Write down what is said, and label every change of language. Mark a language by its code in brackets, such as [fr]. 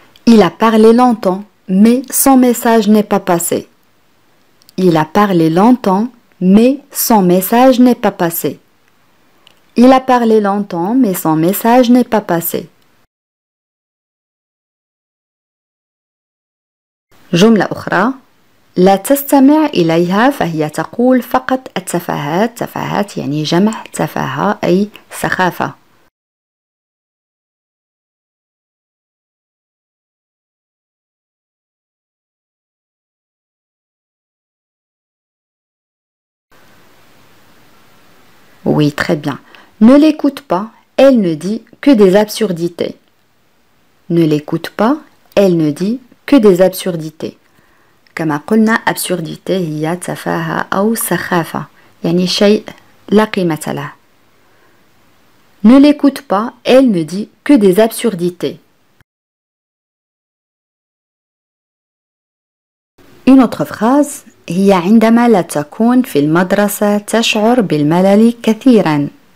[fr] Il a parlé longtemps, mais son message n'est pas passé. Il a parlé longtemps, mais son message n'est pas passé. Il a parlé longtemps, mais son message n'est pas passé. [ar] جملة أخرى لا تستمع إليها فهي تقول فقط التفاهات تفاهات يعني جمع تفاهة أي سخافة [fr] Oui, très bien. Ne l'écoute pas, elle ne dit que des absurdités. Ne l'écoute pas, elle ne dit que des absurdités. [ar] كما قلنا absurdité هي تفاهة أو سخافة يعني شيء لا قيمة له. [fr] Ne l'écoute pas, elle ne dit que des absurdités. Une autre phrase [ar] هي عندما لا تكون في المدرسة تشعر بالملل كثيرا.